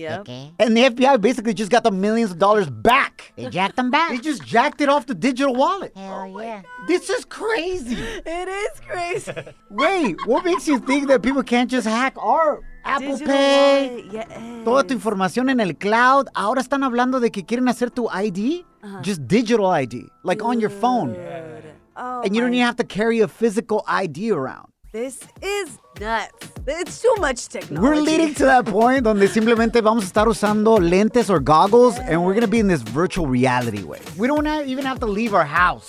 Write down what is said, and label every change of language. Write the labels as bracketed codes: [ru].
[en] Okay. And the FBI basically just got the millions of dollars back. They jacked them back. They just jacked it off the digital wallet. Hell God. This is crazy. It is crazy. Wait, what makes you think that people can't just hack our Apple digital Pay? [es] Toda tu información en el cloud. Ahora están hablando de que quieren hacer tu ID? [en] Just digital ID, like on your phone. And you don't even have to carry a physical ID around. This is nuts. It's too much technology. We're leading to that point [es] donde simplemente vamos a estar usando lentes [en] or goggles and we're going to be in this virtual reality way. We don't even have to leave our house.